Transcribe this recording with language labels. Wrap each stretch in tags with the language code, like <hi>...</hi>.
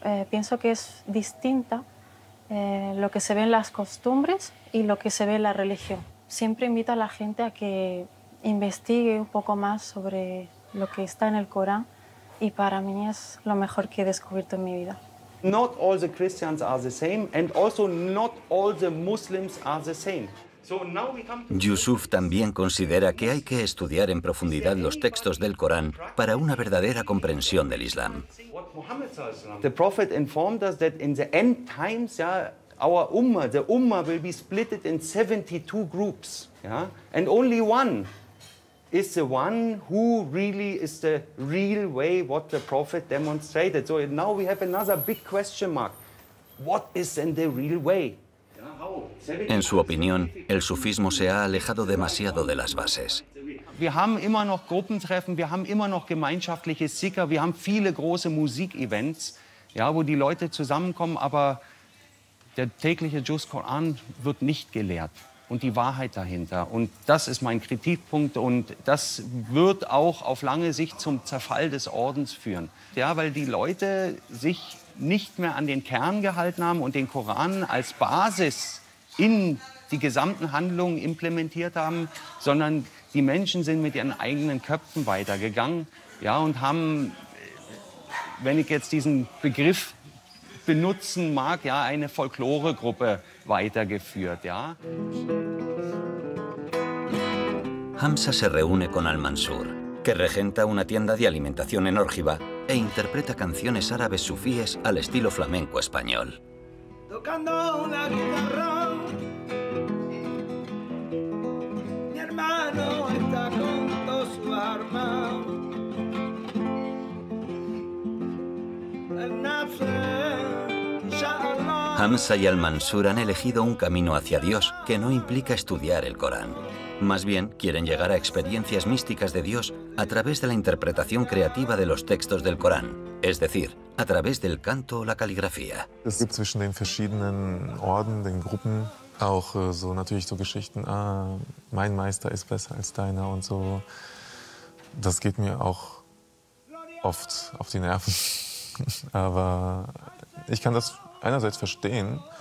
<es>Pienso que es distinta lo que se ve en las costumbres y lo que se ve en la religión. Siempre invito a la gente a que investigue un poco más sobre lo que está en el Corán y para mí es lo mejor que he descubierto en mi vida.</es> <en>Not all the Christians are the same and also not all the Muslims are the same.</en> <es>Yusuf también considera que hay que estudiar en profundidad los textos del Corán para una verdadera comprensión del Islam.</es> <en>The Prophet informed us that in the end times, our ummah, the ummah will be split in 72 groups, and only one is the one who really is the real way what the Prophet demonstrated. So now we have another big question mark. What is then the real way?</en> <es>En su opinión, el sufismo se ha alejado demasiado de las bases.</es> <de>Wir haben immer noch Gruppentreffen, wir haben immer noch gemeinschaftliche Zikr, wir haben viele große Musikevents, wo die Leute zusammenkommen, aber der tägliche Juz Koran wird nicht gelehrt und die Wahrheit dahinter. Und das ist mein Kritikpunkt und das wird auch auf lange Sicht zum Zerfall des Ordens führen. Ja, weil die Leute sich nicht mehr an den Kern gehalten haben und den Koran als Basis in die gesamten Handlungen implementiert haben, sondern die Menschen sind mit ihren eigenen Köpfen weitergegangen, und haben, wenn ich jetzt diesen Begriff benutzen mag, eine Folkloregruppe weitergeführt,</de> <es>Hamza se reúne con Al-Mansur, que regenta una tienda de alimentación en Órgiva e interpreta canciones árabes sufíes al estilo flamenco español. Tocando una guitarra, mi hermano está con todo su arma. El nafre, inshallah. Hamza y Al-Mansur han elegido un camino hacia Dios que no implica estudiar el Corán. Más bien, quieren llegar a experiencias místicas de Dios a través de la interpretación creativa de los textos del Corán, es decir, a través del canto o la caligrafía.</es> <de>Es gibt zwischen den verschiedenen Orden, den Gruppen, auch so natürlich so Geschichten, mein Meister ist besser als deiner und so. Das geht mir auch oft auf die Nerven. Aber ich kann das einerseits verstehen.</de>